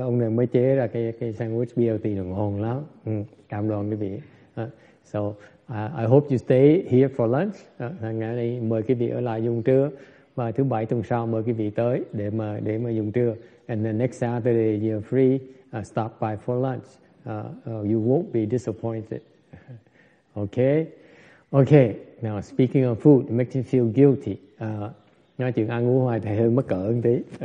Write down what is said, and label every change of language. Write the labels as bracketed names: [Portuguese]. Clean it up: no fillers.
[Vietnamese] Mới chế ra cái sandwich BLT là ngon lắm. Cảm đoan quý vị. [English] So I hope you stay here for lunch. [Vietnamese] Ngày nay mời quý vị ở lại dùng trưa, và thứ bảy tuần sau mời quý vị tới để mà dùng trưa. [English] And then next Saturday you're free, stop by for lunch. You won't be disappointed. Okay. Now speaking of food, it makes you feel guilty. [Vietnamese] Nói chuyện ăn uống hoài thì hơi mất cỡ một tí.